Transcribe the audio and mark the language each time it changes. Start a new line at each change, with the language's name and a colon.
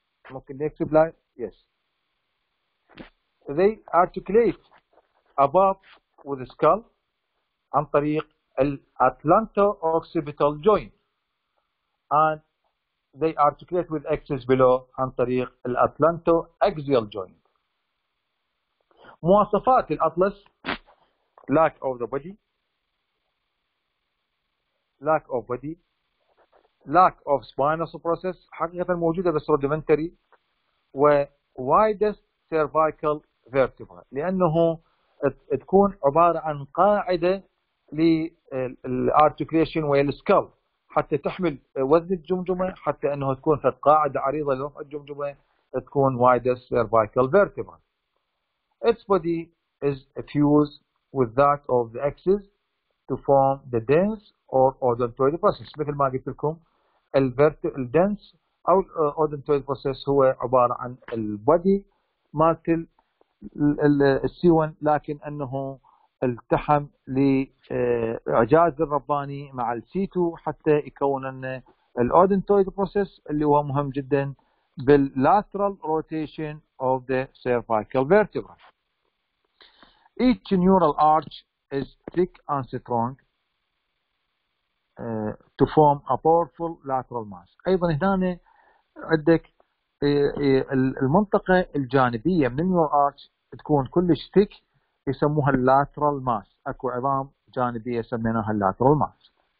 English: ممكن next slide. Yes. They articulate above with the skull
Arabic: عن طريق
English: الأتلانتو-أوكسيبيتال joint and they articulate with axis below عن طريق الأتلانتو-أكسيال joint.
Arabic: مواصفات الأطلس:
English: lack of the body, lack of body, lack of spinous process
Arabic: حقيقة موجودة بس rudimentary و
English: widest cervical vertebra
Arabic: لانه تكون عباره عن قاعده للارتكليشن والسكال حتى تحمل وزن الجمجمه، حتى انه تكون في قاعده عريضه لرفع الجمجمه تكون widest cervical vertebra.
English: Its body is fused with that of the axis to form the dense or odontoid process.
Arabic: مثل ما قلت لكم الدنس او odontoid process هو عباره عن البودي مالتل السي 1 لكن انه التحم لاعجاز الرباني مع السي 2 حتى يكون لنا الاودنتويد بروسيس اللي هو مهم جدا باللاترال روتيشن اوف ذا سيرفايكال فيرتيبرا.
English: Each neural arch is thick and strong to form a powerful lateral mass.
Arabic: ايضا هنا عندك المنطقه الجانبيه من النيورال ارش تكون كلش ثيك يسموها اللاترال ماس، اكو عظام جانبيه سميناها اللاترال ماس.